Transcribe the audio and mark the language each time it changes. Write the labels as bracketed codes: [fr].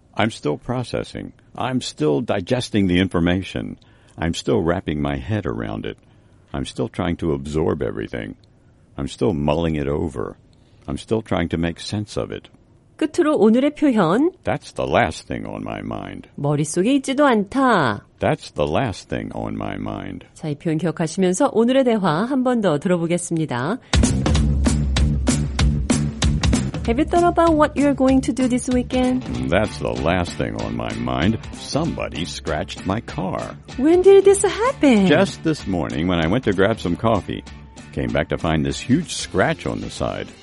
[en] I'm still processing. I'm still digesting the information. I'm still wrapping my head around it. I'm still trying to absorb everything. I'm still mulling it over. I'm still trying to make sense of it. [ko] 끝으로 오늘의 표현. [en] That's the last thing on my mind. [ko] 머릿속에 있지도 않다. [en] That's the last thing on my mind. [ko] 자, 이 표현 기억하시면서 오늘의 대화 한 번 더 들어보겠습니다. [en] Have you thought about what you're going to do this weekend? That's the last thing on my mind. Somebody scratched my car. When did this happen? Just this morning when I went to grab some coffee. Came back to find this huge scratch on the side.